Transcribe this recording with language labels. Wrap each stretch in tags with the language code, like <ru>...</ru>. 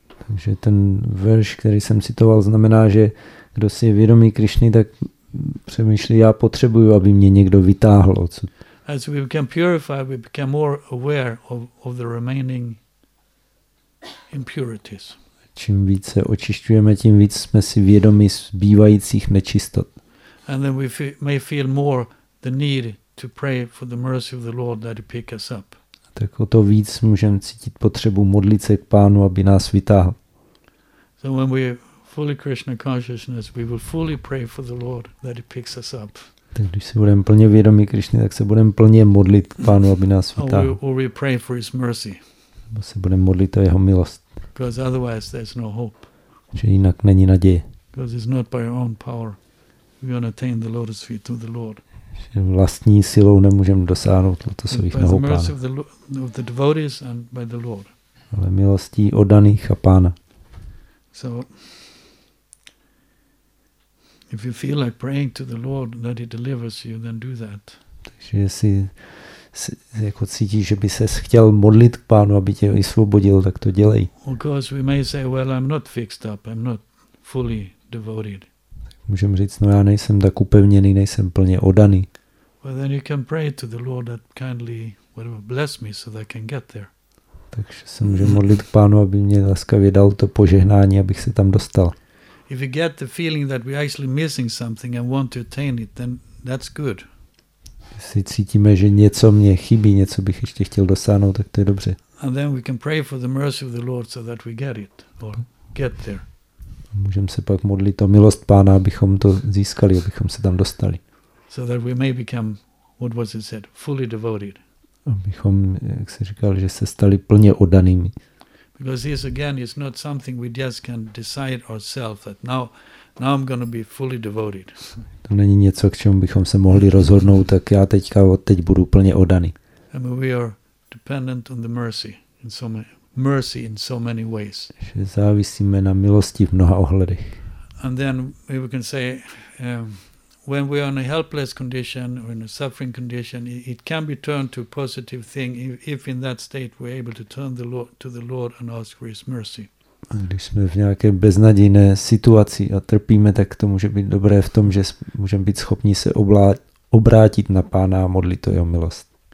<cs>Takže ten verš, který jsem citoval, znamená, že kdo si je vědomý Krišny, tak přemýšlí, já potřebuju, aby mě někdo vytáhl odsud.</cs> <en>As we become purified, we become more aware of the remaining impurities.</en> <cs>Čím více očišťujeme, tím víc jsme si vědomi zbývajících nečistot.</cs> <en>And then we may feel more the need to pray for the mercy of the Lord that he pick us up.</en> <cs>Tak o to víc můžeme cítit potřebu modlit se k Pánu, aby nás vytáhl.</cs> <en>So when we fully Krishna consciousness, we will fully pray for the Lord that he picks us up.</en> <cs>Tak když se budeme plně vědomi Krišny, tak se budeme plně modlit k Pánu, aby nás vytáhl.</cs> <en>Or we pray for his mercy.</en> <cs>Nebo se budeme modlit o jeho milost.</cs> <en>Because otherwise there's no hope.</en> <cs>Že jinak není naděje.</cs> <en>Because it's not by our own power we can attain the lotus feet of the Lord.</en> <cs>Že vlastní silou nemůžeme dosáhnout lotosových nohou Pána.</cs> <en>By the mercy of the devotees and by the Lord.</en> <cs>Ale milostí oddaných a Pána.</cs> <en>So If you feel like praying to the Lord that he delivers you, then do that.</en> <cs>Takže jestli jako cítíš, že by ses chtěl modlit k Pánu, aby tě vysvobodil, tak to dělej.</cs> <en>Of course we may say, well, I'm not fixed up, I'm not fully devoted.</en> <cs>Můžeme říct, no já nejsem tak upevněný, nejsem plně oddaný.</cs> <en>Well, then you can pray to the Lord that kindly whatever bless me so that I can get there.</en> <cs>Takže se můžu modlit k Pánu, aby mě laskavě dal to požehnání, abych se tam dostal.</cs> <en>If you get the feeling that we're actually missing something and want to attain it, then that's good.</en> <cs>Jestli cítíme, že něco mě chybí, něco bych ještě chtěl dosáhnout, tak to je dobře.</cs> <en>And then we can pray for the mercy of the Lord so that we get it or get there.</en> <cs>Můžeme se pak modlit o milost Pána, abychom to získali, abychom se tam dostali.</cs> <en>So that we may become, what was it said, fully devoted.</en> <cs>Abychom, jak se říkal, že se stali plně oddanými.</cs> <en>Because this again is not something we just can decide ourselves that now I'm going to be fully devoted.</en> <cs>To není něco, k čemu bychom se mohli rozhodnout, tak já teďka od teď budu plně oddaný.</cs> <en>And we are dependent on the mercy in so many ways.</en> <cs>Že závisíme na milosti v mnoha ohledech.</cs> <en>And then we can say when we are in a helpless condition or in a suffering condition, it can be turned to a positive thing if in that state we're able to turn to the Lord and ask for his mercy.</en> <cs>A když jsme v nějaké beznadějné situaci a trpíme, tak to může být dobré v tom, že můžeme být schopni se obrátit na Pána a modlit o jeho milost.</cs>